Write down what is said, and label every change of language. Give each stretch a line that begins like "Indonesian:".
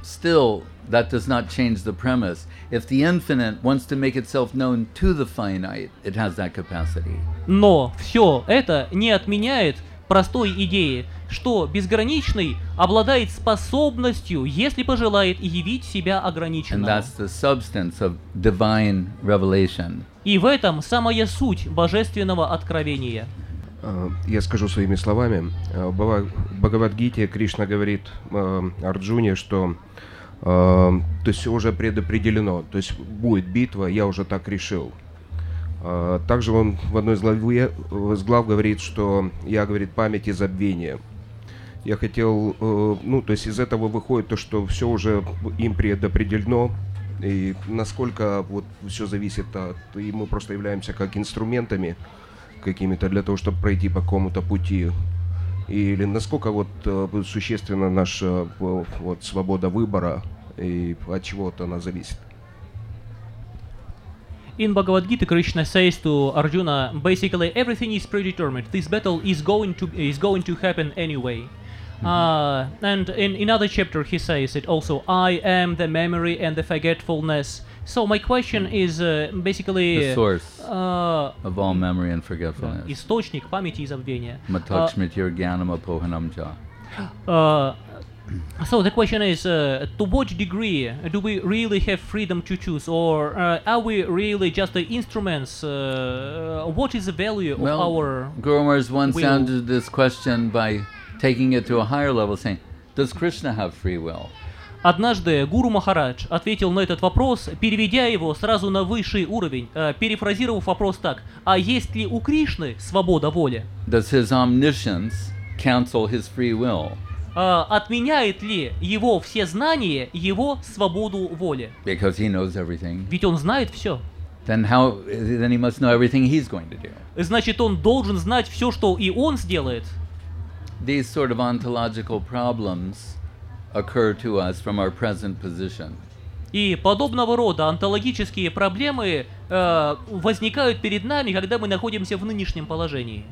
English: Still, that does not change the premise. If the infinite wants to make itself known to the finite, it has that capacity.
Russian: Но все это не отменяет простой идеи, что безграничный обладает способностью, если пожелает, явить себя ограниченным.
English: And that's the substance of divine revelation.
Russian: И в этом самая суть божественного откровения. Я скажу своими словами. В Бхагавад-гите Кришна говорит Арджуне, что то есть уже предопределено, то есть будет битва, я уже так решил. Также он в одной из глав говорит, что я, говорит, память и забвение. Я хотел, ну, то есть из этого выходит то, что все уже им предопределено, и насколько вот все зависит от, и мы просто являемся как инструментами какими-то для того, чтобы пройти по какому-то пути, или насколько вот существенна наша вот свобода выбора, и от чего вот она зависит.
English: In Bhagavad Gita, Krishna says to Arjuna, basically everything is predetermined. This battle is going to happen anyway. And in another chapter, he says it also. I am the memory and the forgetfulness. So my question is basically the source of all memory and forgetfulness.
Russian: Источник памяти и забвения.
Sanskrit: Matakshmitir ganam apohanam cha.
English: So the question is, to what degree do we really have freedom to choose, or are we really just the instruments? What is the value of our Guru Maharaj once answered this question by taking it to a higher level, saying, does Krishna have free will?
Russian: Однажды Гуру Махарадж ответил на этот вопрос, переведя его сразу на высший уровень, перефразировав вопрос так: а есть ли у Кришны свобода воли?
English: Does his omniscience cancel his free will?
Russian: Отменяет ли его все знания его свободу воли?
English: Because he knows everything.
Russian: Ведь он знает все.
English: Then he must know everything he's going to do.
Russian: Значит, он должен знать все, что и он сделает.
English: these sort of ontological problems occur to us from our present position.
Russian: И подобного рода онтологические проблемы возникают перед нами, когда мы находимся в нынешнем положении.